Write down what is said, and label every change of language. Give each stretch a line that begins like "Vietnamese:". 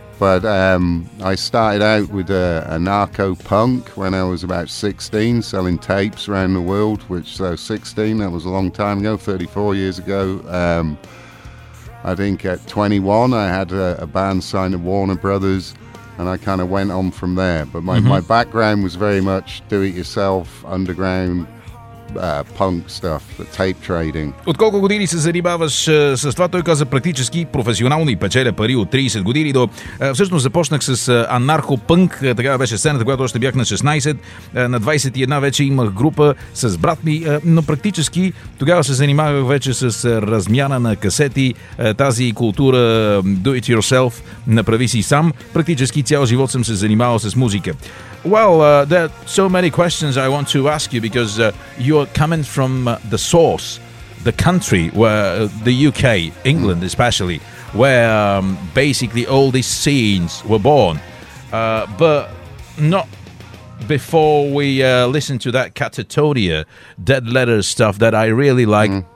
English: But I started out with a narco punk when I was about 16, selling tapes around the world, so 16, that was a long time ago, 34 years ago. I think at 21, I had a band signed to Warner Brothers, and I kind of went on from there. But my background was very much do-it-yourself, underground, punk stuff, tape trading.
Bulgarian: От колко години се занимаваш с това? Той каза практически професионално и печеля пари от 30 години до... Всъщност започнах с анархопънк, така беше сцената, когато още бях на 16. На 21 вече имах група с брат ми, но практически тогава се занимавах вече с размяна на касети, тази култура
English: do it yourself,
Bulgarian: направи си сам. Практически цял живот съм се занимавал с музика.
English: Well, there are so many questions I want to ask you because you're coming from the source, the country where the UK, England especially, where basically all these scenes were born. But not before we listen to that Catatonia Dead Letters stuff that I really like. Mm.